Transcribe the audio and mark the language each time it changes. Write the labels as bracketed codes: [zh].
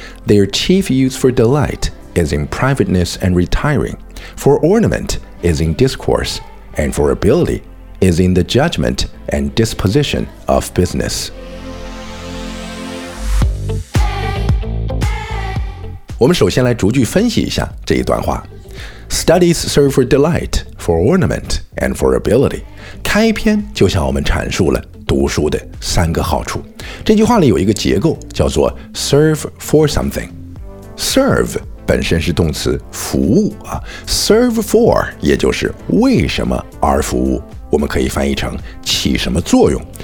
[en] Their chief use for delight is in privateness and retiring, for ornament is in discourse, and for ability is in the judgment and disposition of business. [zh] 我们首先来逐句分析一下这一段话。 [en] Studies serve for delight, for ornament, and for ability. [zh] 开篇就向我们阐述了读书的三个好处。这句话里有一个结构叫做 serve for something。 serve 本身是动词服务啊， serve for 也就是为什么而服务，我们可以翻译成起什么作用。